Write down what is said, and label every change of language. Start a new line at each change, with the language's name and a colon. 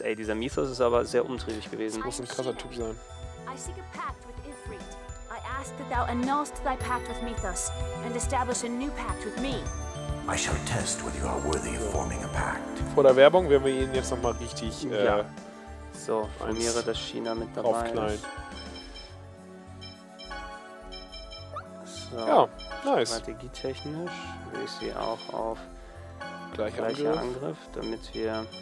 German: Ey, dieser Mythos ist aber sehr umtriebig gewesen. Das muss ein krasser Typ sein.
English: I seek a pact with Ifrit. I ask that thou annulst thy pact with Mythos and establish a new pact with me. I shall test whether you are worthy of forming a pact.
German: Vor der Werbung werden wir ihn jetzt nochmal richtig. Ja. So, Almira, das China mit dabei. Aufknallen. So. Ja, nice. Strategietechnisch will ich sie auch auf gleicher Angriff, damit wir.